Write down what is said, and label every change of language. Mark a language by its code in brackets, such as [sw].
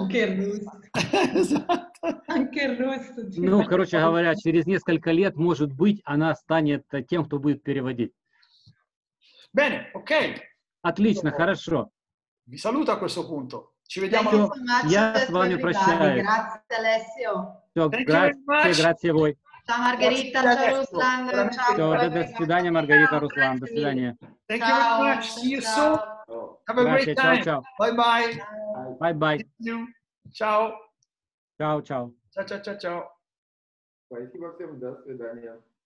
[it] Anche il russo. Esatto. Anche il russo. [ru] Ну, короче говоря, через несколько лет, может быть, она станет тем, кто будет переводить. [it] Bene, ok. [ru] Отлично, хорошо. [it] Vi saluto a questo punto. Ci vediamo. [en] Thank you so much. [ru] Я с вами прощаюсь. [it] Grazie, Alessio. [ru] Все, [it] grazie, grazie a voi. Ciao Маргарита, ciao Руслан. Ciao, [ru] до свидания, Маргарита, Руслан. До свидания. [en] Thank you very much. See you soon. Have a great time. [it] Ciao, ciao. [en] Bye-bye. Bye-bye. [it] Ciao. Ciao, ciao. Ciao, ciao, ciao, ciao. [ru] Спасибо всем, до свидания.